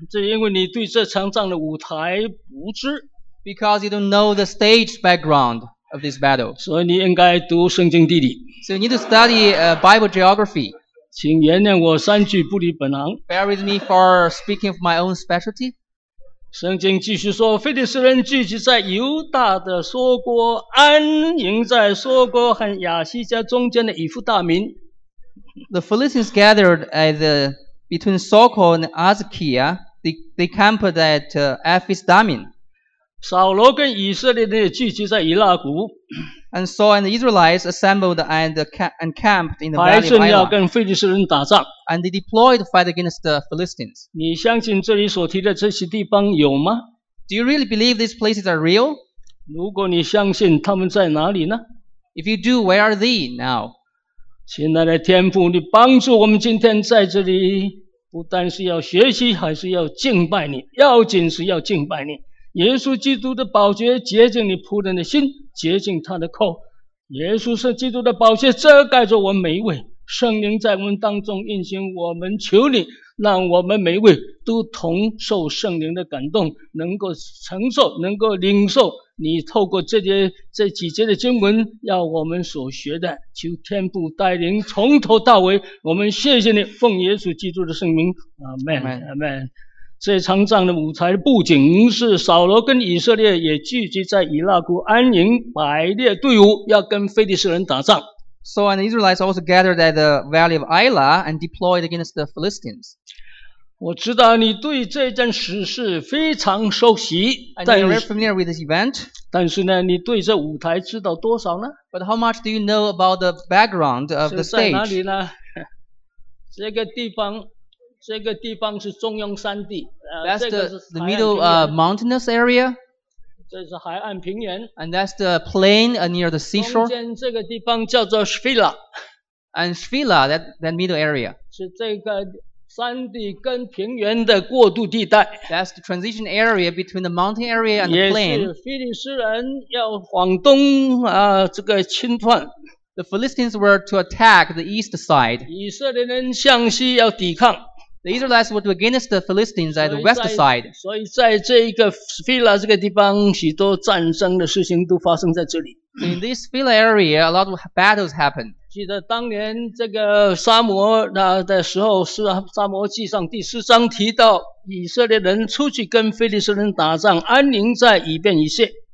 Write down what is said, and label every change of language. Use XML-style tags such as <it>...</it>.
<zh>这是因为你对这场仗的舞台不知。</zh> <en>Because you don't know the stage background of this battle.</en> <zh>所以你应该读圣经地理。</zh> <en>So you need to study Bible geography.</en> <zh>请原谅我三句不离本行。</zh> <en>Bear with me for speaking of my own specialty.</en> <zh>圣经继续说，腓力斯人聚集在犹大的梭哥，安营在梭哥和亚西家中间的以弗大民。</zh> <en>The Philistines gathered at the between Soko and Azekiah. They camped at Ephesdamin.</en> <zh>扫罗跟以色列人也聚集在以拉谷。</zh> <en>And Saul and the Israelites assembled and camped in the valley of Elah.</en> <zh>排阵要跟腓力斯人打仗。</zh> <en>And they deployed to fight against the Philistines.</en> <zh>你相信这里所提的这些地方有吗？</zh> <en>Do you really believe these places are real?</en> <zh>如果你相信，他们在哪里呢？</zh> <en>If you do, where are they now?</en> <zh>亲爱的天父，你帮助我们今天在这里，不但是要学习，还是要敬拜你。要紧是要敬拜你。耶稣基督的宝血洁净你仆人的心，洁净他的口。耶稣是基督的宝血遮盖着我们每一位，圣灵在我们当中运行，我们求你让我们每一位都同受圣灵的感动，能够承受，能够领受你透过这几节的经文要我们所学的。求天父带领从头到尾，我们谢谢你，奉耶稣基督的圣名， Amen,</zh> <en>Amen, Amen。</en> <zh>这场仗的舞台的布景是扫罗跟以色列也聚集在以拉谷安营，摆列队伍要跟腓力斯人打仗。</zh> <en>So and the Israelites also gathered at the valley of Elah and deployed against the Philistines.</en> <zh>我知道你对这件事是非常熟悉，</zh> <en>and you're very familiar with this event.</en> <zh>但是呢，你对这舞台知道多少呢？</zh> <en>But how much do you know about the background of the stage?</en> <zh>是在哪里呢？这个地方。这个地方是中央山地。</zh> <en>That's the middle mountainous area.</en> <zh>这是海岸平原。</zh> <en>And that's the plain near the seashore.</en> <zh>中间这个地方叫做 Shvila.</zh> <en>And Shvila, that middle area.</en> <zh>是这个山地跟平原的过渡地带。</zh> <en>That's the transition area between the mountain area and the plain.</en> <zh>也是腓力斯人要往东这个侵犯。</zh> <en>The Philistines were to attack the east side.</en> <zh>以色列人向西要抵抗。</zh> <en>The Israelites would against the Philistines at the west side.</en> <zh>所以在这一个 Phila 这个地方，许多战争的事情都发生在这里。</zh> <en>In this Phila area, a lot of battles happen.</en> <zh>记得当年这个沙摩的时候，是沙摩记上第四章提到以色列人出去跟腓力斯人打仗，安营在以便以谢。</zh>